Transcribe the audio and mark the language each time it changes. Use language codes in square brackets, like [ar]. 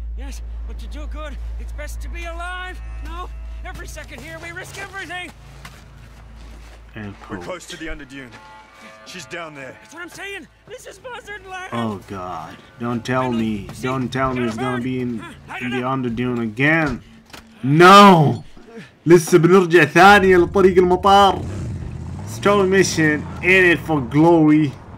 [en] Yes, but to do good, it's best to be alive. No, every second here we risk everything. and poke. We're close to the under dune. She's down there. That's what I'm saying. This is buzzard land. Oh God! Don't tell me. Don't tell me it's gonna be in the under dune again. No. [ar] لسه بنرجع ثانية لطريق المطار. [en] Story mission in it for glory.